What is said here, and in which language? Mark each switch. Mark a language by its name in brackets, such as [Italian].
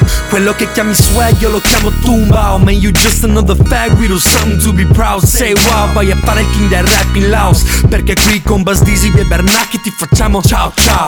[Italian] Quello che chiami swag io lo chiamo tumba. [English] Oh man, you just another fag with something to be proud. Say wow, [Italian] vai a fare il king del rap in Laos. Perché qui con Buzz Dizzy e Bernacchi ti facciamo ciao ciao.